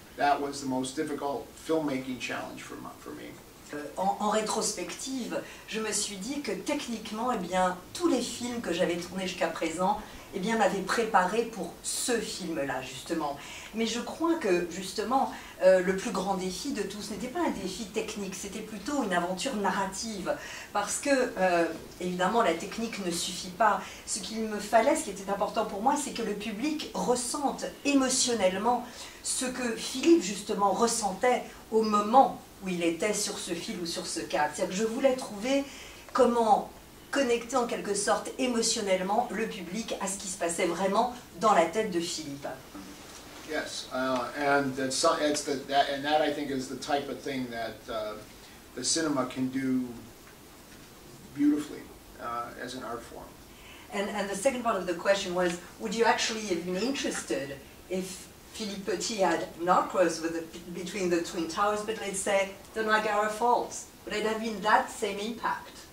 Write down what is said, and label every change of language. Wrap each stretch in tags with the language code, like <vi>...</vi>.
<en>That was the most difficult filmmaking challenge for me.</en> <fr>En rétrospective, je me suis dit que techniquement, eh bien, tous les films que j'avais tournés jusqu'à présent, eh bien, m'avaient préparé pour ce film-là, justement. Mais je crois que, justement, le plus grand défi de tous n'était pas un défi technique, c'était plutôt une aventure narrative. Parce que, évidemment, la technique ne suffit pas. Ce qu'il me fallait, ce qui était important pour moi, c'est que le public ressente émotionnellement ce que Philippe, justement, ressentait au moment où il était sur ce fil ou sur ce cadre. C'est-à-dire que je voulais trouver comment connecter en quelque sorte émotionnellement le public à ce qui se passait vraiment dans la tête de Philippe.</fr> <en>Yes, and that's that I think is the type of thing that the cinema can do beautifully as an art form. And the second part of the question was, would you actually have been interested if Philippe Petit had not crossed with between the Twin Towers, but let's say the Niagara Falls, would it have been that same impact?</en>